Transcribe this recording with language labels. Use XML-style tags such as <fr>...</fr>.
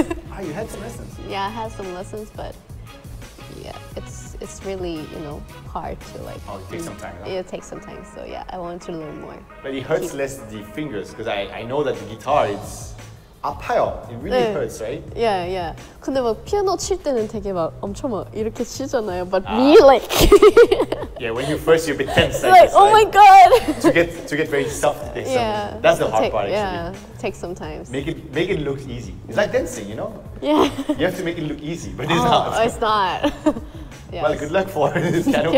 <en>Ah, you had some lessons. Yeah, I had some lessons, but yeah, it's really, you know, hard to like. Oh, it takes some time. Huh? It takes some time, so yeah, I want to learn more. But it hurts less the fingers, because I know that the guitar, it's</en> <ko>아파요.</ko> <en>It really 네. Hurts, right? Yeah, yeah.</en> <ko>근데 막 피아노 칠 때는 되게 막 엄청 막 이렇게 치잖아요.</ko> <en>But me like. Yeah, when you first, you're a bit tense. Like, oh my god! To get very soft. Yeah. That's the hard part, actually. Yeah, takes some time. Make it look easy. It's like dancing, you know? Yeah. You have to make it look easy, but it's not. Oh, it's not. Yes. Well, good luck for this piano.</en>